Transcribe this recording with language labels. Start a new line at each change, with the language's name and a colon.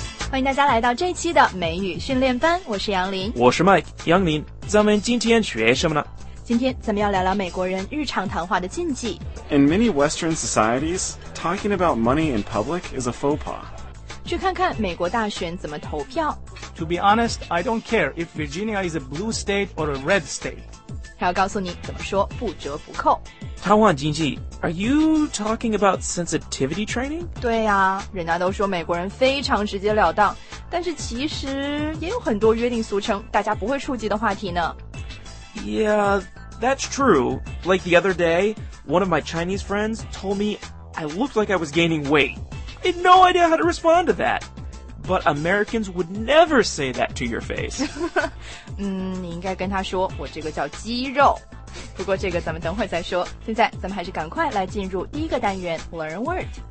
Chinese: 欢迎大家来到这期的美语训练班，我是杨林。我是麦杨林，咱们今天学什么呢？今天咱们要聊聊美国人日常谈话的禁忌。
English: In many Western societies, talking about money in public is a faux pas.
Chinese: 去看看美国大选怎么投票。
English: To be honest, I don't care if Virginia is a blue state or a red state.
Chinese: 他要告诉你怎么说不折不扣。谈话禁忌
English: ,Are you talking about sensitivity training?
Chinese: 对呀、啊、人家都说美国人非常直截了当，但是其实也有很多约定俗成大家不会触及的话题呢。
English: Yeah, that's true. Like the other day, one of my Chinese friends told me I looked like I was gaining weight. I had no idea how to respond to that. But Americans would never say that to your face.
Chinese: 你应该跟他说我这个叫肌肉。不过这个咱们等会再说，现在咱们还是赶快来进入第一个单元
English: Learn a Word.